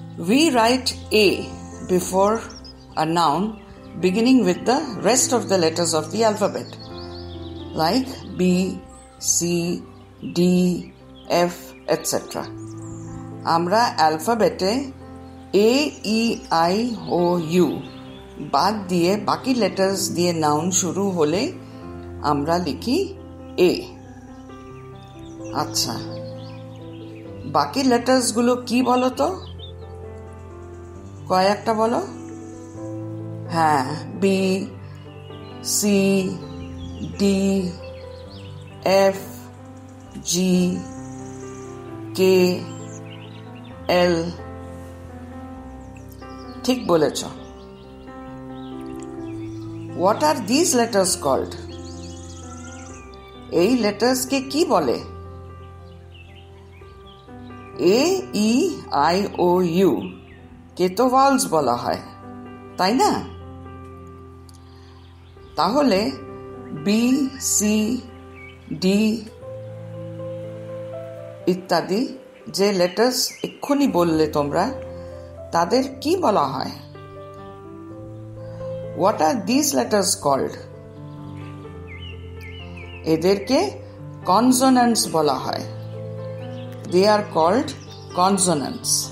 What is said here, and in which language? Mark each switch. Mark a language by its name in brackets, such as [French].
[English] We write a before a noun beginning with the rest of the letters of the alphabet like B, C, D, F, etc. [Bangla] আমরা অ্যালফাবেটে A, E, I, O, U বাদ দিয়ে বাকি letters দিয়ে noun শুরু হলে আমরা লিখি A. আচ্ছা বাকি লেটার্সগুলো কি বলো তো কয়েকটা বলো হ্যাঁ B, C, D, F, G, K, L ঠিক বলেছ [English] What are these letters called? [Bangla] এই letters কে কি বলে? A, E, I, O, U কে তো vowels বলা হয় তাই না? তাহলে B, C, D ইত্যাদি যে লেটার্স এক্ষুনি বললে তোমরা তাদের কি বলা হয় [English] what are this letters called [Bangla] এদেরকে কনসোনেন্টস বলা হয় [English] they are called consonants